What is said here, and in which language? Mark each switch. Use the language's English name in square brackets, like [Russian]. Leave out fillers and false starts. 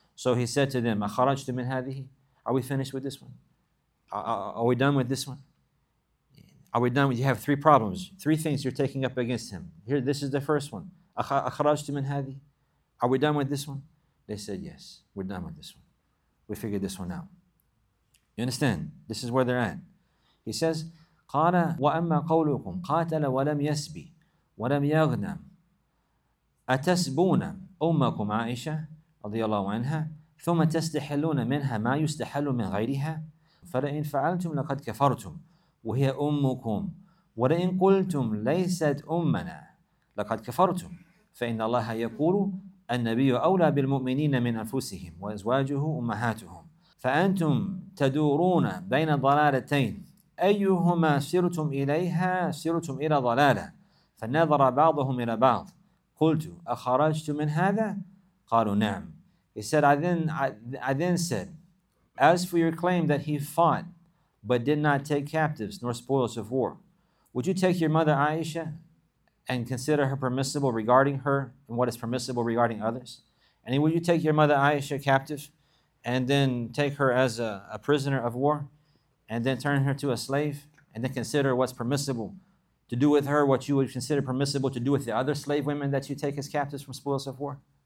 [English] So he said to them, [Arabic] أَخَرَجْتُ مِنْ هَذِهِ. [English] Are we finished with this one? Are we done with this one? Are we done with, you have three problems, three things you're taking up against him. Here, this is the first one. [Arabic] أَخَرَجْتُ مِنْ هَذِهِ. [English] Are we done with this one? They said, yes, we're done with this one. We figured this one out. You understand? This is where they're at. He says, [Arabic] قَالَ وَأَمَّا قَوْلُكُمْ قَاتَلَ وَلَمْ يَسْبِي وَلَمْ يَغْنَمْ أَتَسْبُونَ أُمَّكُمْ عَائِشَةً رضي الله عنها ثم تستحلون منها ما يستحل من غيرها فلئن فعلتم لقد كفرتم وهي أمكم ولئن قلتم ليست أمنا لقد كفرتم فإن الله يقول النبي أولى بالمؤمنين من أنفسهم وأزواجه أمهاتهم فأنتم تدورون بين ضلالتين أيهما سرتم إليها سرتم إلى ضلالة فنظر بعضهم إلى بعض قلت أخرجت من هذا قالوا نعم. [English] He said, I then said, as for your claim that he fought but did not take captives nor spoils of war, would you take your mother Aisha and consider her permissible regarding her and what is permissible regarding others? And would you take your mother Aisha captive and then take her as a prisoner of war and then turn her to a slave and then consider what's permissible to do with her, what you would consider permissible to do with the other slave women that you take as captives from spoils of war?